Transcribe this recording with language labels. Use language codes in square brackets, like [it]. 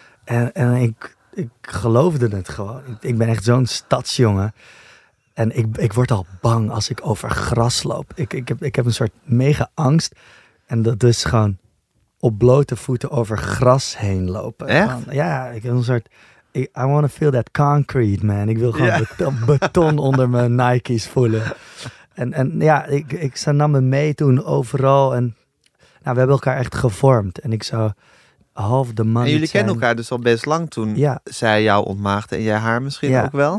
[nl] En ik geloofde het gewoon. Ik ben echt zo'n stadsjongen. En ik word al bang als ik over gras loop. Ik heb een soort mega angst. En dat is gewoon op blote voeten over gras heen lopen. Echt? Van, ja, ik heb een soort... [en] I want to feel that concrete, man. [nl] Ik wil gewoon beton onder mijn Nike's voelen. En ja, ze nam me mee toen overal. En nou, we hebben elkaar echt gevormd. En ik zou half de man. En jullie kennen elkaar dus al best lang toen zij jou ontmaagde. En jij haar misschien ook wel.